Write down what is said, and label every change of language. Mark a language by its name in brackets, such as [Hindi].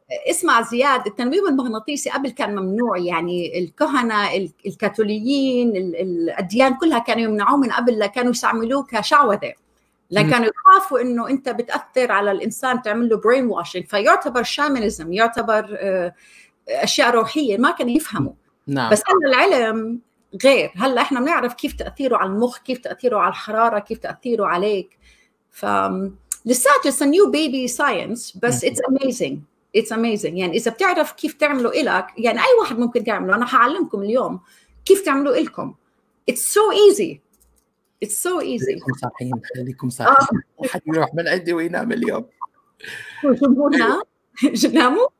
[Arabic] اسمع زياد، التنويم المغناطيسي قبل كان ممنوع، يعني الكهنة الكاثوليين الأديان كلها كانوا يمنعوه من قبل، لا كانوا يستعملوه كشعوذة، لا كانوا يخافوا إنه أنت بتأثر على الإنسان تعمل له برين واشنج، فيعتبر شامانيزم، يعتبر أشياء روحية ما كانوا يفهموا. بس هلا العلم غير، هلا إحنا بنعرف كيف تأثيره على المخ، كيف تأثيره على الحرارة، كيف تأثيره عليك. فلسات [English] it's a new baby science [Arabic] بس [English] it's amazing. It's amazing. [Arabic] يعني إذا بتعرف كيف تعملوا إلك، يعني أي واحد ممكن تعمله، أنا هعلمكم اليوم كيف تعملوا إلكم. [English] It's so easy. It's so easy. [Arabic] خليكم صاحين، خليكم صاحين. أحد يروح من عندي وينام اليوم. جمهورنا؟ جناموا؟